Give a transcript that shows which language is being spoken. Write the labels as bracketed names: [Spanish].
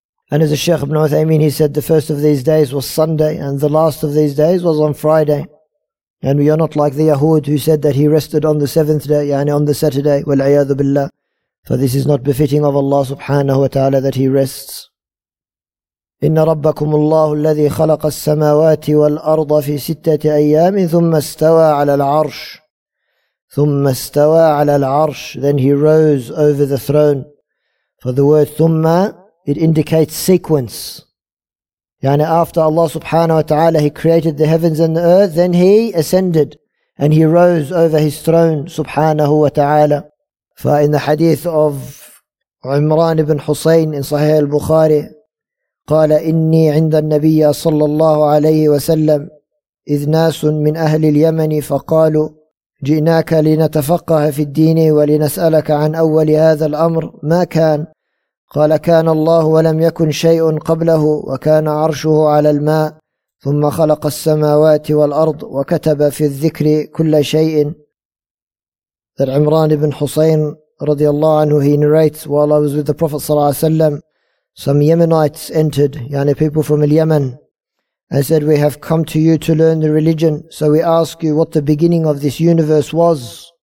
[English] And as the Shaykh ibn Uthaymeen, he said the first of these days was Sunday and the last of these days was on Friday. And we are not like the Yahud who said that he rested on the seventh day, يعني, on the Saturday, wal-ayyadu billah. For this is not befitting of Allah subhanahu wa ta'ala that he rests. [Arabic] إِنَّ رَبَّكُمُ اللَّهُ الَّذِي خَلَقَ السَّمَاوَاتِ وَالْأَرْضَ فِي سِتَّةِ أَيَّامٍ ثُمَّ اسْتَوَى عَلَى الْعَرْشِ [English] Then he rose over the throne. For the word ثُمَّ, it indicates sequence. يعني after Allah subhanahu wa ta'ala, He created the heavens and the earth, then He ascended and He rose over His throne subhanahu wa ta'ala. For in the hadith of Imran ibn Husayn in Sahih al-Bukhari, [Arabic] قال إني عند النبي صلى الله عليه وسلم إذ ناس من أهل اليمن فقالوا جئناك لنتفقه في الدين ولنسألك عن أول هذا الأمر ما كان؟ قال: كان الله ولم يكن شيء قبله، وكان عرشه على الماء، ثم خلق السماوات والأرض، وكتب في الذكر كل شيء. [English] That Imran ibn Husayn radiallahu anhu, he narrates, while I was with the Prophet sallallahu alaihi wasallam, some Yemenites entered, yani people from Yemen, and said, "We have come to you to learn the religion, so we ask you what the beginning of this universe was."